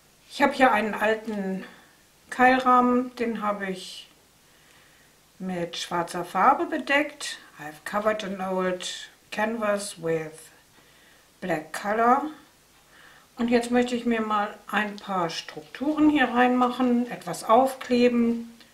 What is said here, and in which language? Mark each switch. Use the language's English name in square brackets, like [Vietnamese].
[German] Ich habe hier einen alten Keilrahmen, den habe ich mit schwarzer Farbe bedeckt. [English] I've covered an old canvas with black color. [German] Und jetzt möchte ich mir mal ein paar Strukturen hier reinmachen, etwas aufkleben.